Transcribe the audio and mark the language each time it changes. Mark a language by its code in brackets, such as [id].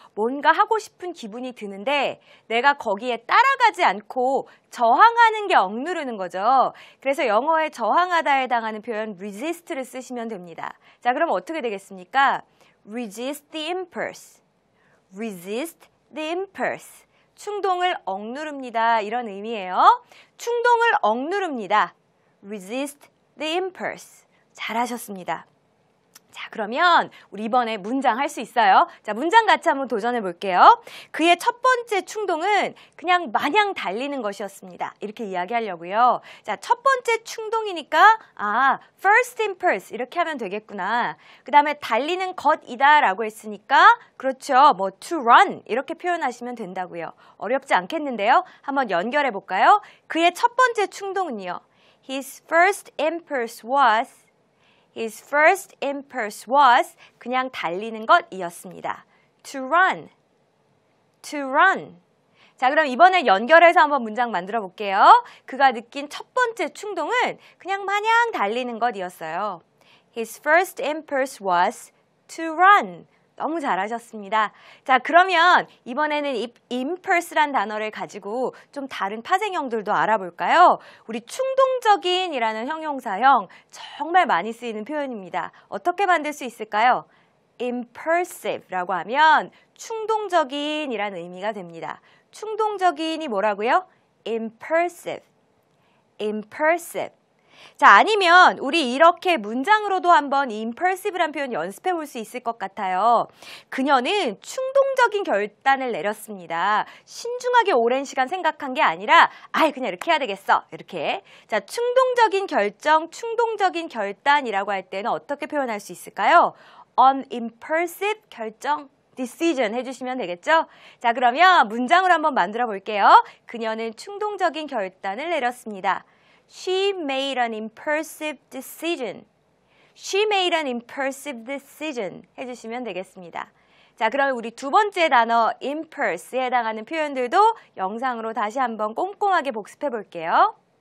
[ko] 뭔가 하고 싶은 기분이 드는데 내가 거기에 따라가지 않고 저항하는 게 억누르는 거죠. 그래서 영어에 저항하다에 해당하는 표현 resist를 쓰시면 됩니다. 자, 그럼 어떻게 되겠습니까? [en] resist the impulse, resist the impulse. [ko] 충동을 억누릅니다 이런 의미예요. 충동을 억누릅니다, resist the impulse. 잘하셨습니다. 자, 그러면 우리 이번에 문장 할 수 있어요. 자, 문장 같이 한번 도전해 볼게요. 그의 첫 번째 충동은 그냥 마냥 달리는 것이었습니다. 이렇게 이야기하려고요. 자, 첫 번째 충동이니까 아, first impulse 이렇게 하면 되겠구나. 그 다음에 달리는 것이다 라고 했으니까 그렇죠, 뭐 to run 이렇게 표현하시면 된다고요. 어렵지 않겠는데요. 한번 연결해 볼까요? 그의 첫 번째 충동은요, his first impulse was, his first impulse was 그냥 달리는 것이었습니다. [en] To run, to run. [ko] 자, 그럼 이번에 연결해서 한번 문장 만들어 볼게요. 그가 느낀 첫 번째 충동은 그냥 마냥 달리는 것이었어요. [en] His first impulse was to run. [ko] 너무 잘하셨습니다. 자, 그러면 이번에는 impulse란 단어를 가지고 좀 다른 파생형들도 알아볼까요? 우리 충동적인이라는 형용사형 정말 많이 쓰이는 표현입니다. 어떻게 만들 수 있을까요? impulsive라고 하면 충동적인이라는 의미가 됩니다. 충동적인이 뭐라고요? impulsive, impulsive. 자, 아니면 우리 이렇게 문장으로도 한번 impulsive란 표현 연습해 볼 수 있을 것 같아요. 그녀는 충동적인 결단을 내렸습니다. 신중하게 오랜 시간 생각한 게 아니라 아예 그냥 이렇게 해야 되겠어, 이렇게. 자, 충동적인 결정, 충동적인 결단이라고 할 때는 어떻게 표현할 수 있을까요? An impulsive 결정, decision 해주시면 되겠죠? 자, 그러면 문장으로 한번 만들어 볼게요. 그녀는 충동적인 결단을 내렸습니다. [en] She made an impulsive decision. She made an impulsive decision 해주시면 되겠습니다. [ko] 자, 그럼 우리 두 번째 단어 impulse에 해당하는 표현들도 영상으로 다시 한번 꼼꼼하게 복습해 볼게요.